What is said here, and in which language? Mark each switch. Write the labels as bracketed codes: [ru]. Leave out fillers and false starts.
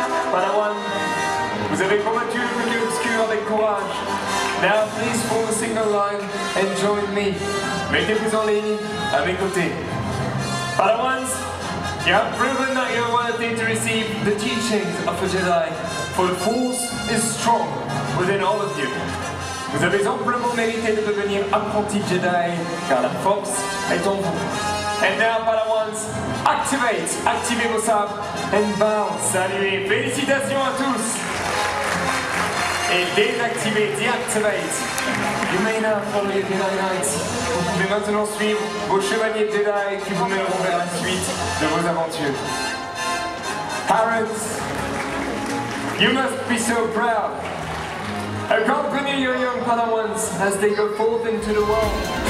[fr] Padawan, vous avez combattu le côté obscur avec courage. [en] Now please form a single line and join me. [fr] Mettez-vous en ligne à mes côtés. [en] Padawans, you have proven that you are worthy to receive the teachings of a Jedi. For the force is strong within all of you. [fr] Vous avez amplement mérité de devenir apprenti Jedi, car la force est en vous. [en] And now, Padawans, activate! [fr] Activez vos sabres [en] and bow. [fr] Saluez, félicitations à tous! Et désactivez, [en] deactivate! You may now follow your Jedi Knights. [fr] Vous pouvez maintenant suivre vos chevaliers Jedi qui vous mèneront vers la suite de vos aventures. [en] Parents! You must be so proud. Accompany your young Padawans as they go forth into the world.